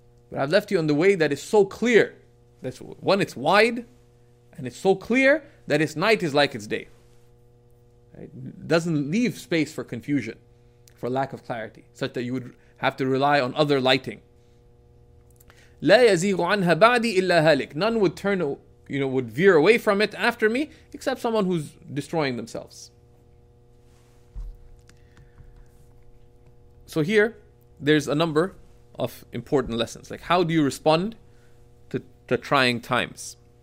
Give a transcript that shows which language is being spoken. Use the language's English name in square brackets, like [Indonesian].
[English] But I've left you on the way that is so clear. That's one, it's wide, And it's so clear that its night is like its day. It doesn't leave space for confusion, for lack of clarity, such that you would have to rely on other lighting. [Arabic] لا يزيغ عنها بعدي إلا هالك. [English] None would turn, you know, would veer away from it after me, except someone who's destroying themselves. So here, there's a number of important lessons. Like, how do you respond to trying times?